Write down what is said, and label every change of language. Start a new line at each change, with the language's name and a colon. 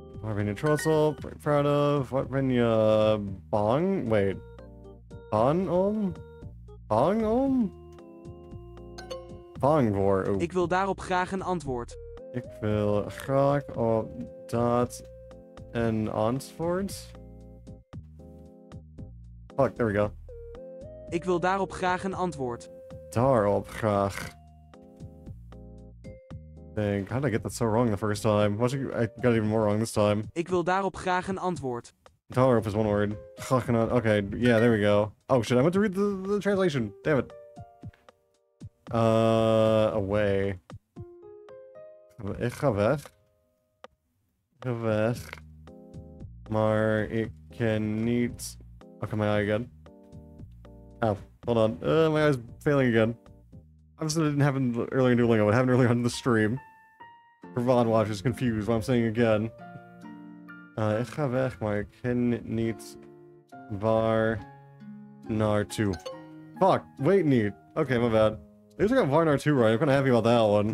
Dutch: Waar ben je trots op?
English: Proud of?
Dutch: Wat ben je bang? Wait. Bang om? Bang om? Bang voor. Oh. Ik wil daarop graag een antwoord. Ik wil graag op dat een antwoord.
English: Fuck, there we go.
Dutch: Ik wil daarop graag een antwoord. Daarop graag.
English: Dang, how did I get that so wrong the first time? I got even more wrong this time.
Dutch: Ik wil daarop graag een antwoord.
English: Daarop is one word. Okay, yeah, there we go. Oh shit, I went to read the translation. Damn it. Away.
Dutch: Ik ga weg. Ik ga weg. Maar ik kan niet...
English: Okay, my eye again. Oh, hold on. My eye's failing again. Obviously, it didn't happen earlier in Duolingo, but it happened earlier on the stream. For VOD watchers, confused what I'm saying again.
Dutch: Ik ga weg, maar ik kan niet waar naar toe.
English: Fuck, wait niet. Okay, my bad. At least I got
Dutch: waar naar toe
English: right. I'm kind of happy about that one.